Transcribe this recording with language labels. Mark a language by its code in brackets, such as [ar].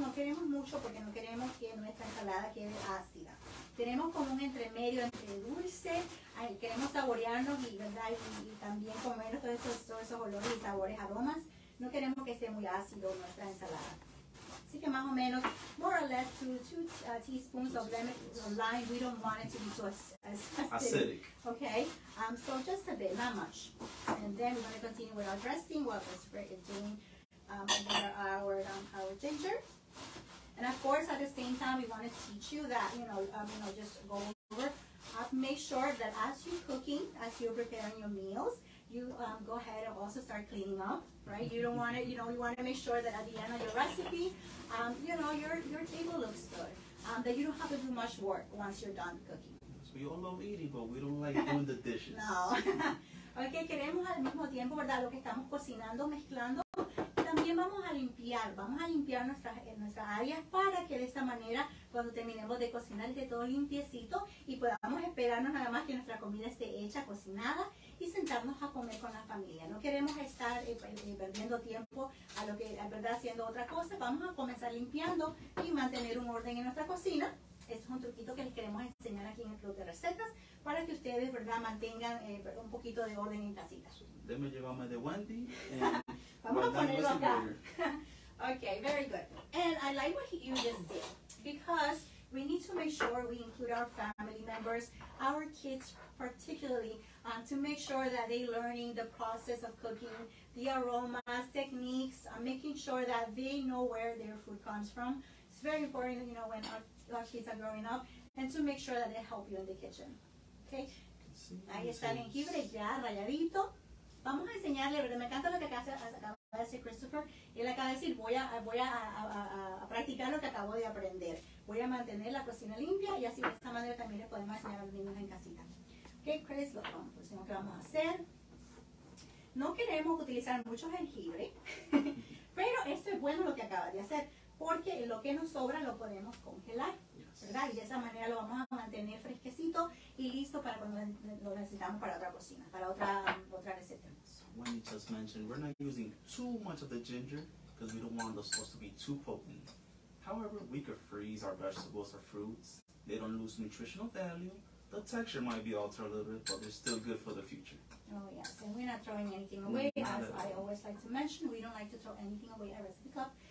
[es] No queremos mucho porque no queremos que nuestra ensalada quede ácida. Tenemos como un entremedio entre dulce. Queremos saborearnos y, ¿verdad? Y también comer todos esos olores y sabores, aromas. No queremos que esté muy ácido nuestra ensalada. Así que más o menos, [en] more or less, two teaspoons of lemon lime. We don't want it to be so acidic. Okay? So just a bit, not much. And then we're going to continue with our dressing, what we're doing our ginger. And of course, at the same time, we want to teach you that, just go over. Make sure that as you're cooking, as you're preparing your meals, you go ahead and also start cleaning up, right? You don't want to, you want to make sure that at the end of your recipe, your table looks good, that you don't have to do much work once you're done cooking. So we all love eating, but we don't like doing the dishes. No. [es] Okay, queremos al mismo tiempo, ¿verdad? Lo que estamos cocinando, mezclando, también vamos a limpiar nuestras áreas para que de esta manera, cuando terminemos de cocinar, esté todo limpiecito y podamos esperarnos nada más que nuestra comida esté hecha, cocinada, y sentarnos a comer con la familia. No queremos estar perdiendo tiempo a lo que, en verdad, haciendo otra cosa. Vamos a comenzar limpiando y mantener un orden en nuestra cocina. Este es un truquito que les queremos enseñar aquí en el Club de Recetas para que ustedes, ¿verdad?, mantengan un poquito de orden en casita. Déjame llevarme de Wendy. Vamos a ponerlo acá. Ok, [en] very good. And I like what you just did, because we need to make sure we include our family members, our kids particularly, to make sure that they're learning the process of cooking, the aromas, techniques, making sure that they know where their food comes from. It's very important, when our kids are growing up, and to make sure that they help you in the kitchen. [es] Okay? Ahí está el jengibre ya rayadito. Vamos a enseñarle, pero me encanta lo que acaba de decir Christopher. Él acaba de decir, voy a practicar lo que acabo de aprender. Voy a mantener la cocina limpia y así de esta manera también le podemos enseñar a los niños en casita. Ok, Chris, lo próximo que vamos a hacer. No queremos utilizar mucho jengibre, pero esto es bueno lo que acabas de hacer, porque lo que nos sobra lo podemos congelar, ¿verdad? Y de esa manera lo vamos a mantener fresquecito y listo para cuando lo necesitamos para otra cocina, para otra receta. [en] When you just mentioned, we're not using too much of the ginger because we don't want the sauce to be too potent. However, we could freeze our vegetables or fruits. They don't lose nutritional value. The texture might be altered a little bit, but they're still good for the future. Oh, yes. And we're not throwing anything away. I always like to mention, we don't like to throw anything away at Recipe Club.